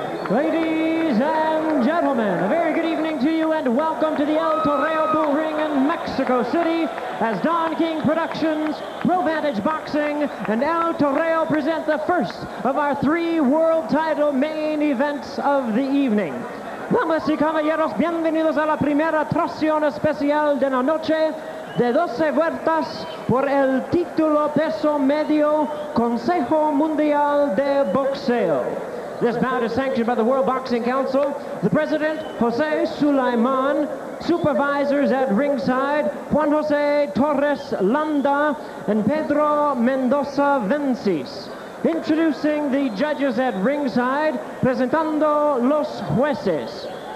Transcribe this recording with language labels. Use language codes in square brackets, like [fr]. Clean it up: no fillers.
[en] Ladies and gentlemen, a very good evening to you and welcome to the El Toreo bull ring in Mexico City as Don King Productions, Pro Vantage Boxing, and El Toreo present the first of our 3 world title main events of the evening. [es] Damas y caballeros, bienvenidos a la primera tracción especial de la noche de 12 vueltas por el título peso medio Consejo Mundial de Boxeo. [en] This bout is sanctioned by the World Boxing Council. The president, Jose Sulaiman, supervisors at ringside, Juan Jose Torres Landa and Pedro Mendoza Vences. Introducing the judges at ringside, [es] presentando los jueces.